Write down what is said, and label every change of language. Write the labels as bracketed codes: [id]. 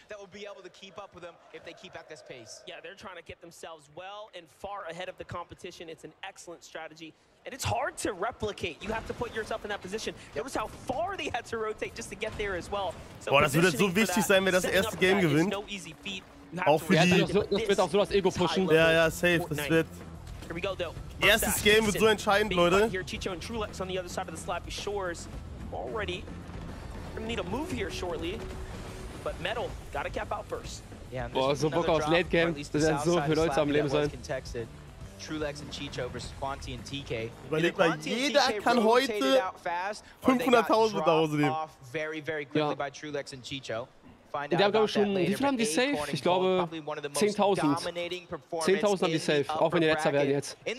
[en] will be able to keep up with them if they keep at this pace. Yeah, they're trying to get themselves well and far ahead of the competition. It's an excellent strategy, and it's hard to replicate. You have to put yourself in that position. Yep. Notice how far they had to rotate just to get there as well. [de] So boah, das wird so wichtig sein, wenn das erste Game gewinnt. [en] No easy feat. [de] Auch für die. Das wird auch so das Ego pushen. Ja, ja, safe. Das wird. [en] Here we go, though. [de] Erstes Game wird so entscheidend, Leute. [en] Here, Chicho and Trulex on the other side of the slappy shores. Already, we're gonna need a move here shortly. But Metal gotta cap out first. [de] Yeah. Boah, so Bock aufs Late Game. Das werden so viele Leute am Leben sein. [en] Trulex and Chicho versus Quanti and TK. [de] Überleg mal, jeder kann heute 500.000 nach Hause nehmen. [en] Very, very quickly by Trulex and Chicho. [de] Find out, die haben, glaube ich, schon, wie viel haben die safe? Ich glaube, 10.000. 10.000 haben die safe, auch wenn die letzter werden jetzt.